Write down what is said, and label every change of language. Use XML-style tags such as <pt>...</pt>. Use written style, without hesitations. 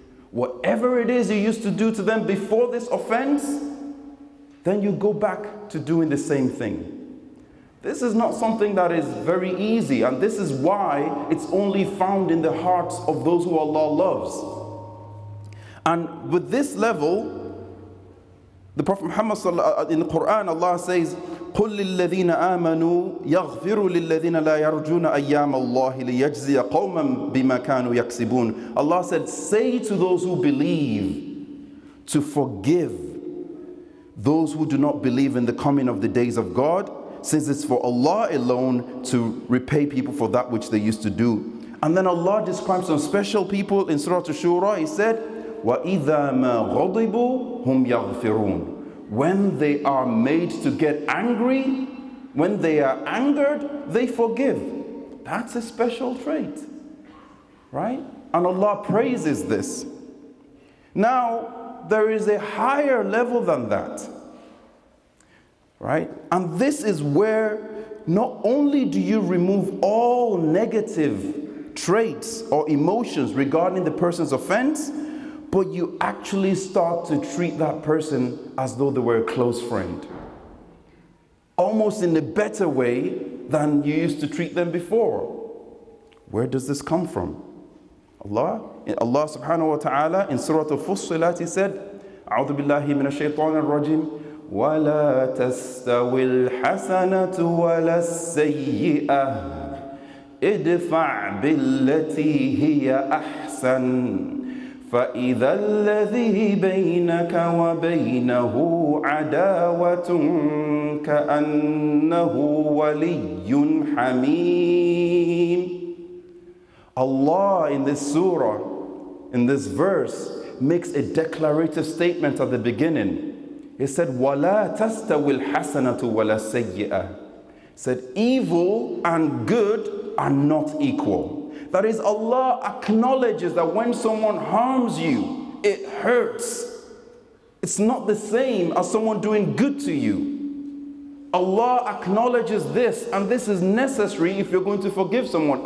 <en>Whatever it is you used to do to them before this offense, then you go back to doing the same thing. This is not something that is very easy, and this is why it's only found in the hearts of those who Allah loves. And with this level, the Prophet Muhammad in the Quran, Allah says,</en> <ar>قُلْ لِلَّذِينَ آمَنُوا يَغْفِرُوا لِلَّذِينَ لَا يَرْجُونَ أَيَّامَ اللَّهِ لِيَجْزِيَ قَوْمًا بِمَا كَانُوا يَكْسِبُونَ.</ar> <en>Allah said, say to those who believe to forgive those who do not believe in the coming of the days of God, since it's for Allah alone to repay people for that which they used to do. And then Allah describes some special people in Surah Ash-Shura. He said,</en> <ar>وَإِذَا مَا غَضِبُوا هُمْ يَغْفِرُونَ.</ar> <en>When they are made to get angry, when they are angered, they forgive. That's a special trait, right? And Allah praises this. Now, there is a higher level than that, right? And this is where not only do you remove all negative traits or emotions regarding the person's offense, but you actually start to treat that person as though they were a close friend. Almost in a better way than you used to treat them before. Where does this come from? Allah subhanahu wa ta'ala in Surah Al-Fussilat, he said,</en> <ar>أعوذ بالله من الشيطان الرجيم وَلَا تَسْتَوِي الْحَسَنَةُ وَلَا السَّيِّئَةُ ادْفَعْ بِالَّتِي هِيَ أَحْسَنُ فَإِذَا الَّذِي بَيْنَكَ وَبَيْنَهُ عَدَاوَةٌ كَأَنَّهُ وَلِيٌّ حَمِيمٌ.</ar> <en>Allah in this surah, in this verse, makes a declarative statement at the beginning. He said,</en> <ar>وَلَا تَسْتَوِي الْحَسَنَةُ وَلَا السَّيِّئَةُ.</ar> <en>He said, evil and good are not equal. That is, Allah acknowledges that when someone harms you, it hurts. It's not the same as someone doing good to you. Allah acknowledges this, and this is necessary if you're going to forgive someone.</en>